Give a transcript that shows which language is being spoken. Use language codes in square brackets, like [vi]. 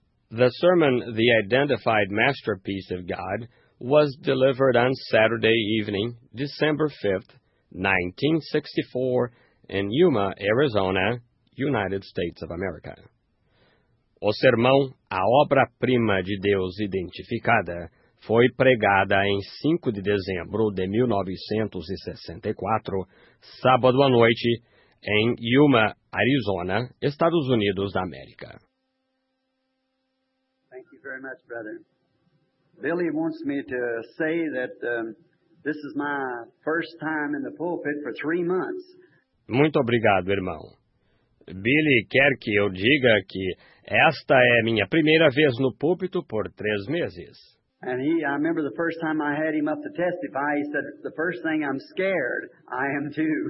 [en] The sermon, The Identified Masterpiece of God, was delivered on Saturday evening, December 5, 1964, in Yuma, Arizona, United States of America. [pt] O sermão, a obra-prima de Deus identificada, foi pregada em 5 de dezembro de 1964, sábado à noite, em Yuma, Arizona, Estados Unidos da América. [en] Thank you very much, brother. Billy wants me to say that this is my first time in the pulpit for 3 months. [pt] Muito obrigado, irmão. Billy quer que eu diga que esta é minha primeira vez no púlpito por 3 meses. [en] And I remember the first time I had him up to testify, he said, the first thing I'm scared, I am too.